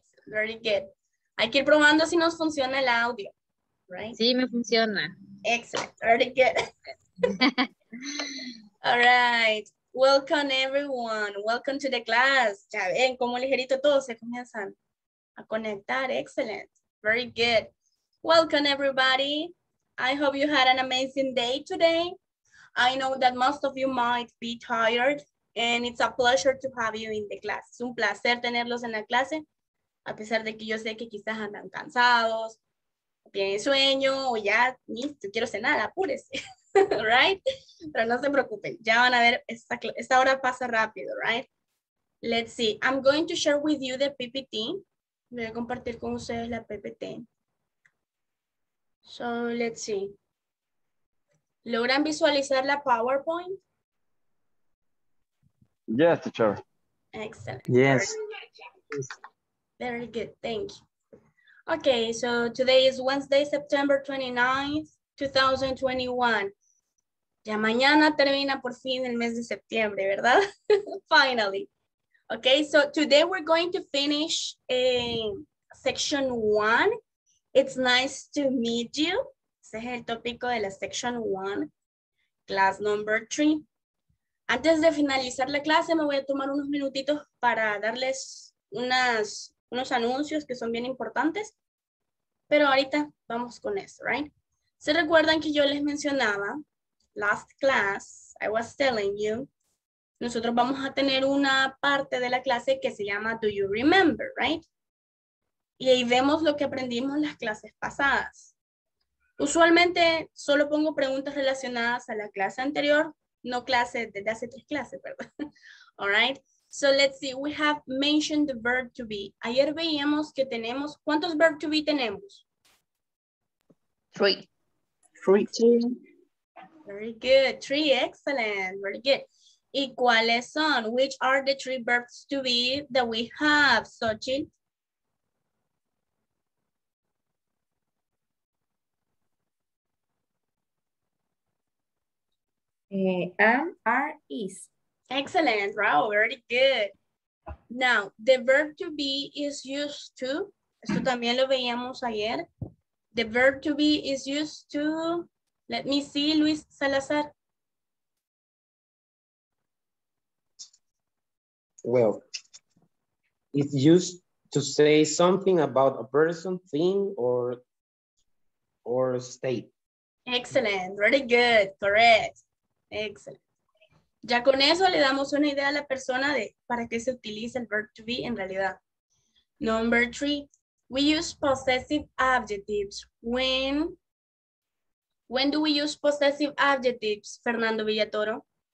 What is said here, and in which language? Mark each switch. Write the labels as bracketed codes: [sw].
[en] Very good. [es] Hay que ir probando si nos funciona el audio, right? Sí, me funciona. [en] Excellent. Very good. All right. Welcome, everyone. Welcome to the class. [es] Ya ven cómo ligerito todos se comienzan a conectar. [en] Excellent. Very good. Welcome, everybody. I hope you had an amazing day today. I know that most of you might be tired. And it's a pleasure to have you in the class. [es] Es un placer tenerlos en la clase, a pesar de que yo sé que quizás andan cansados, tienen sueño, o ya, listo, quiero cenar, apúrese, right? Pero no se preocupen, ya van a ver, esta hora pasa rápido, right? [en] Let's see, I'm going to share with you the PPT. [es] Voy a compartir con ustedes la PPT. [en] So, let's see. [es] ¿Logran visualizar la PowerPoint? [en] Yes, teacher. Excellent. Yes. Very good. Thank you. Okay, so today is Wednesday, September 29th, 2021. [es] Ya mañana termina por fin el mes de septiembre, ¿verdad? [en] Finally. Okay, so today we're going to finish section one. It's nice to meet you. [es] Ese es el tópico de la [en] section one, class number 3. [es] Antes de finalizar la clase, me voy a tomar unos minutitos para darles unos anuncios que son bien importantes. Pero ahorita vamos con eso, right? ¿Se recuerdan que yo les mencionaba [en] last class? I was telling you. [es] Nosotros vamos a tener una parte de la clase que se llama Do You Remember, right? Y ahí vemos lo que aprendimos en las clases pasadas. Usualmente solo pongo preguntas relacionadas a la clase anterior, no clase desde hace tres clases, perdón. [en] All right? So let's see, we have mentioned the verb to be. [es] Ayer veíamos que tenemos, ¿cuántos verb to be tenemos? [en] Three. Three. Very good. Three, excellent. Very good. [es] ¿Y cuáles son? [en] Which are the three verbs to be that we have, Xochitl? Am, are, is. Excellent. Wow, very good. Now, the verb to be is used to, [es] esto también lo veíamos ayer, [en] the verb to be is used to, let me see, Luis Salazar. Well, it's used to say something about a person, thing, or state. Excellent. Very good. Correct. Excellent. [es] Ya con eso le damos una idea a la persona de para qué se utiliza el verb to be en realidad. [en] Number three, we use possessive adjectives. When do we use possessive adjectives, Fernando Villatoro?